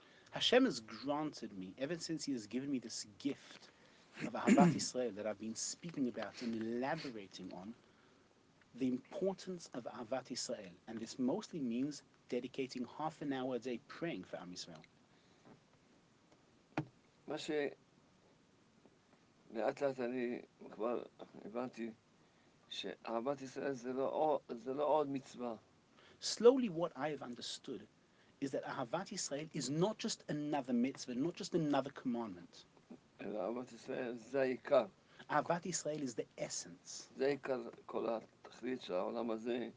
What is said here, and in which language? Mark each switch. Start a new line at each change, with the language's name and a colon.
English: Hashem has granted me, ever since he has given me this gift of Ahavat Yisrael that I've been speaking about and elaborating on, the importance of Ahavat Yisrael, and this mostly means dedicating half an hour a day praying for Am Yisrael.
Hebrew: מה ש... לאט לאט אני כבר הבנתי שאהבת ישראל זה לא עוד מצווה.
English: Slowly what I have understood is that אהבת ישראל is not just another mitzvah, not just another commandment.
Hebrew: אלא אהבת ישראל זה העיקר.
English: אהבת ישראל is the essence.
Hebrew: זה העיקר כל התכלית של העולם הזה.